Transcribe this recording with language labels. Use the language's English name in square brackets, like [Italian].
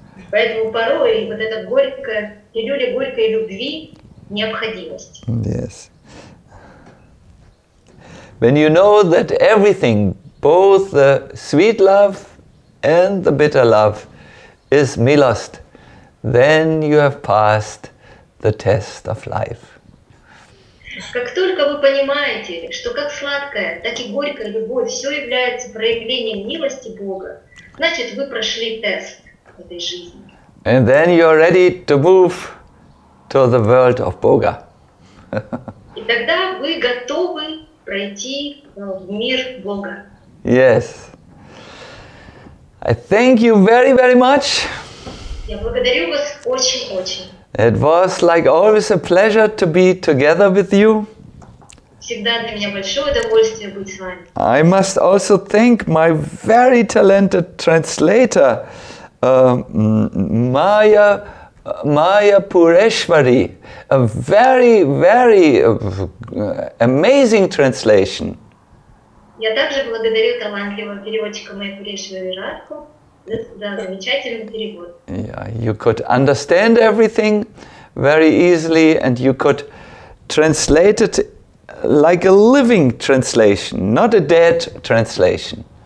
[Russian] Поэтому порой вот эта горькая, пилюля горькой любви необходимость. [English] Yes. When you know that everything, both the sweet love and the bitter love, is milost, then you have passed the test of life. [Russian] Как только вы понимаете, что как сладкая, так и горькая любовь все является проявлением милости Бога, значит, вы прошли тест этой жизни. [English] And then you are ready to move to the world of Boga. [Russian] И тогда вы готовы пройти в мир Бога. [English] Yes. I thank you very, very much. [Russian] Я благодарю вас очень-очень. [English] It was like always a pleasure to be together with you. [Russian] Всегда для меня большое удовольствие быть с вами. [English] I must also thank my very talented translator, Maya Pureshwari, a very, very amazing translation. [Russian] Я также благодарю талантливого переводчика Майи Пурешвари Радху. [English] Yeah, you could understand everything very easily, and you could translate it like a living translation, not a dead translation.